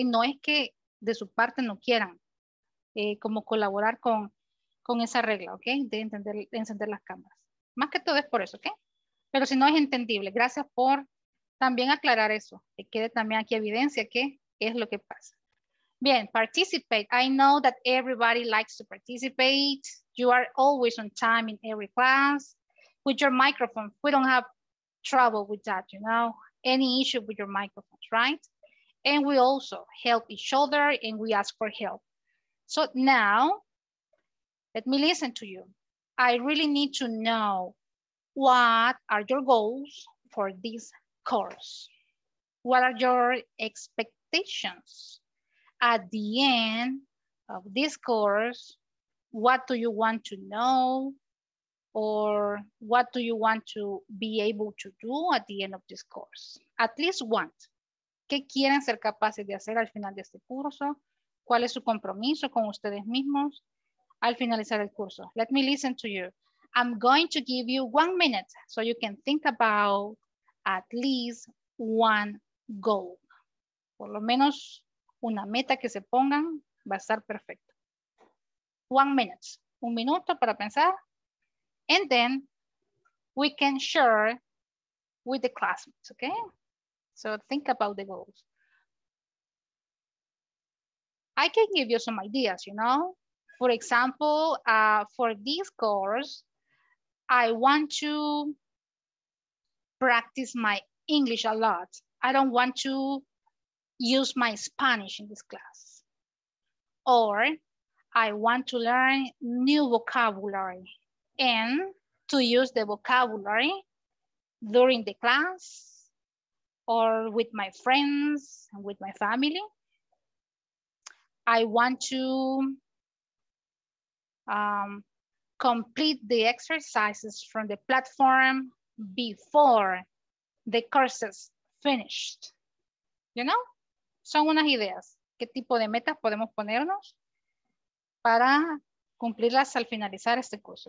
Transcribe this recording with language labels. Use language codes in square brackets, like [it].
[es] No es que de su parte no quieran como colaborar con esa regla, ¿ok? De encender las cámaras. Más que todo es por eso, ¿ok? Pero si no, es entendible. Gracias por también aclarar eso. Que quede también aquí evidencia que es lo que pasa. [en] Bien, participate. I know that everybody likes to participate. You are always on time in every class. With your microphone, we don't have trouble with that, you know? Any issue with your microphones, right? And we also help each other and we ask for help. So now, let me listen to you. I really need to know, what are your goals for this course? What are your expectations? At the end of this course, what do you want to know? Or what do you want to be able to do at the end of this course? At least want. [es] ¿Qué quieren ser capaces de hacer al final de este curso? ¿Cuál es su compromiso con ustedes mismos? Al finalizar el curso, [en] let me listen to you. I'm going to give you 1 minute so you can think about at least one goal. [es] Por lo menos una meta que se pongan va a estar perfecto. [en] 1 minute, [es] un minuto para pensar. [en] And then we can share with the classmates, okay? So think about the goals. I can give you some ideas, you know? For example, for this course, I want to practice my English a lot. I don't want to use my Spanish in this class. Or I want to learn new vocabulary and to use the vocabulary during the class, or with my friends and with my family. I want to complete the exercises from the platform before the courses finished. You know? [es] Son unas ideas. ¿Qué tipo de metas podemos ponernos para cumplirlas al finalizar este curso?